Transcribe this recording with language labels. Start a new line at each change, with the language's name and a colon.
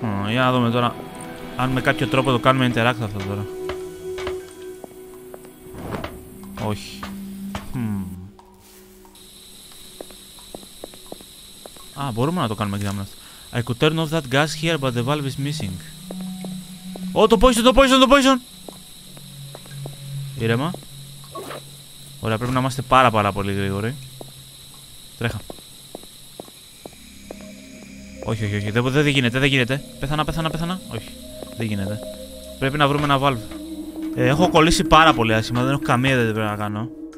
Greek: Για να δούμε τώρα. Αν με κάποιο τρόπο το κάνουμε interact αυτό τώρα. Όχι. Α, μπορούμε να το κάνουμε examiner.
English: I could turn off that gas here, but the valve is missing. Oh, το poison!
Greek: Ήρεμα. Ωραία, πρέπει να είμαστε πάρα πολύ γρήγοροι. Τρέχα. Όχι. Δεν γίνεται. Πέθανα. Όχι. Δεν γίνεται. Πρέπει να βρούμε ένα valve. Έχω κολλήσει πάρα πολύ άσχημα, δεν έχω καμία ιδέα τι πρέπει να κάνω.